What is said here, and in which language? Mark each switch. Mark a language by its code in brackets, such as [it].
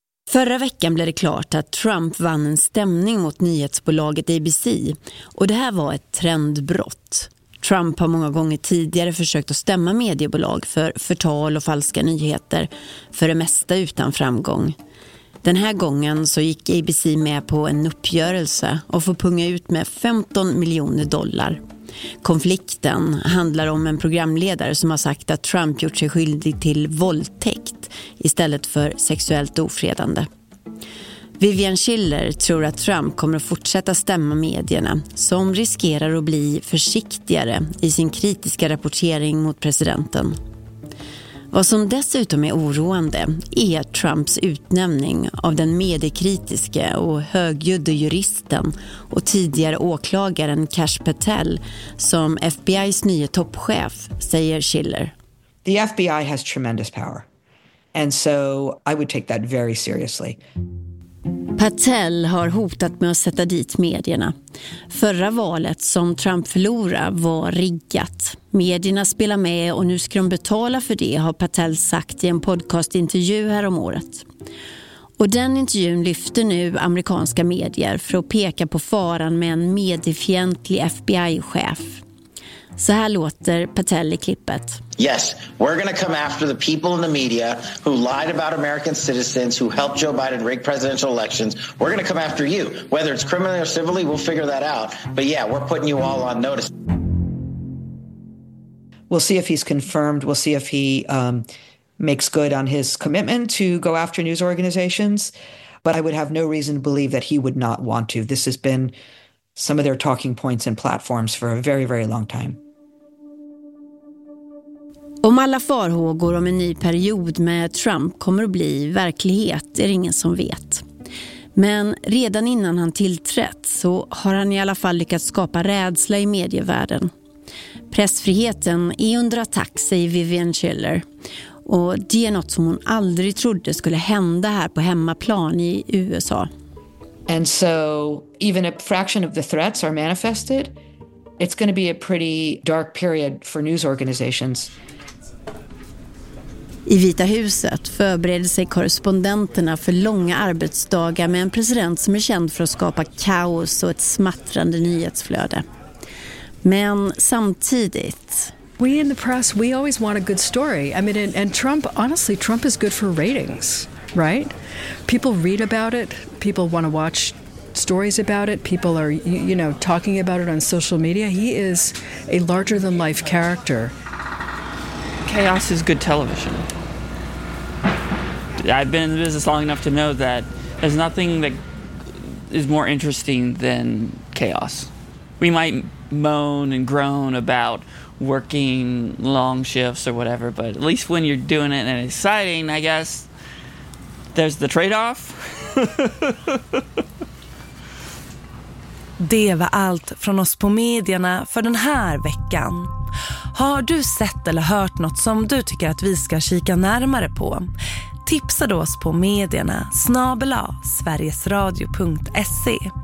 [sv] Förra veckan blev det klart att Trump vann en stämning mot nyhetsbolaget ABC, och det här var ett trendbrott. Trump har många gånger tidigare försökt att stämma mediebolag för förtal och falska nyheter, för det mesta utan framgång. Den här gången så gick ABC med på en uppgörelse och får punga ut med 15 miljoner dollar. Konflikten handlar om en programledare som har sagt att Trump gjort sig skyldig till våldtäkt istället för sexuellt ofredande. Vivian Schiller tror att Trump kommer att fortsätta stämma medierna som riskerar att bli försiktigare i sin kritiska rapportering mot presidenten. Vad som dessutom är oroande är Trumps utnämning av den mediekritiske och högljudde juristen och tidigare åklagaren Cash Patel som FBI:s nya toppchef, säger Schiller. [en] The FBI has tremendous power. And so I would take that very seriously. [sv] Patel har hotat med att sätta dit medierna. Förra valet som Trump förlorade var riggat. Medierna spelar med och nu ska de betala för det, har Patel sagt i en podcastintervju här om året. Och den intervjun lyfter nu amerikanska medier för att peka på faran med en mediefientlig FBI-chef. Så här låter Patel i klippet. [en] Yes, we're going to come after the people in the media who lied about American citizens, who helped Joe Biden rig presidential elections. We're going to come after you. Whether it's criminally or civilly, we'll figure that out. But yeah, we're putting you all on notice. We'll see if he's confirmed. We'll see if he makes good on his commitment to go after news organizations. But I would have no reason to believe that he would not want to. This has been some of their talking points and platforms for a very, very long time. [sv] Om alla farhågor om en ny period med Trump kommer att bli verklighet är ingen som vet. Men redan innan han tillträtt så har han i alla fall lyckats skapa rädsla i medievärlden. Pressfriheten är under attack, säger Vivian Schiller. Och det är något som hon aldrig trodde skulle hända här på hemmaplan i USA. [en] And so even a fraction of the threats are manifested, it's going to be a pretty dark period for news organizations. [sv] I Vita huset förbereder sig korrespondenterna för långa arbetsdagar med en president som är känd för att skapa kaos och ett smattrande nyhetsflöde. Men samtidigt, [en] we in the press, we always want a good story. I mean, and Trump, honestly, Trump is good for ratings. Right? People read about it. People want to watch stories about it. People are, you know, talking about it on social media. He is a larger than life character. Chaos is good television. I've been in the business long enough to know that there's nothing that is more interesting than chaos. We might moan and groan about working long shifts or whatever, but at least when you're doing it and exciting, I guess, there's the trade-off. [sv] Det var allt från oss på medierna för den här veckan. Har du sett eller hört något som du tycker att vi ska kika närmare på? Tipsa då oss på medierna @sverigesradio.se.